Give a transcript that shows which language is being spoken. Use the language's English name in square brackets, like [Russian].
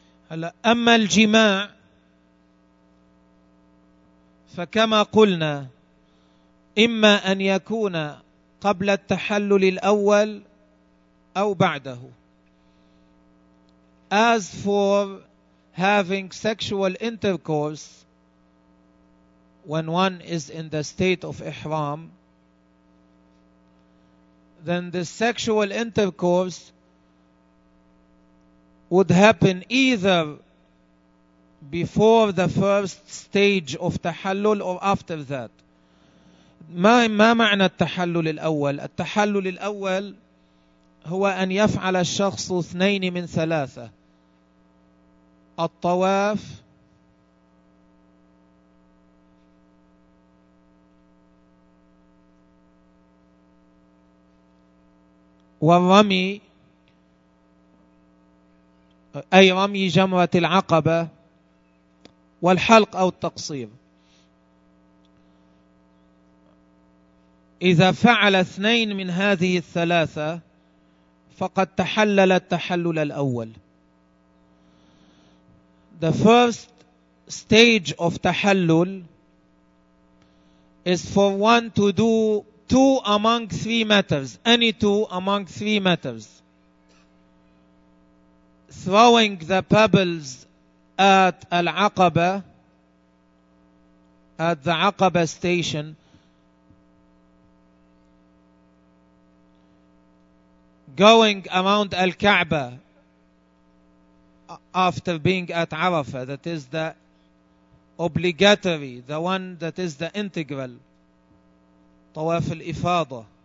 [Arabic] هلا أما الجماع فكما قلنا إما أن يكون قبل التحلل الأول أو بعده. [English] As for having sexual intercourse when one is in the state of ihram, then the sexual intercourse would happen either before the first stage of tahallul or after that. [Arabic] ما معنى التحلل الأول؟ التحلل الأول هو أن يفعل الشخص اثنين من ثلاثة: الطواف والرمي، أي رمي جمرة العقبة، والحلق أو التقصير. إذا فعل اثنين من هذه الثلاثة فقد تحلل التحلل الأول. [English] The first stage of تحلل is for one to do two among three matters, any two among three matters. Throwing the pebbles at العقبة, at the عقبة station, going around Al-Ka'bah after being at Arafah, that is the obligatory, the one that is the integral, Tawaf al-Ifadah,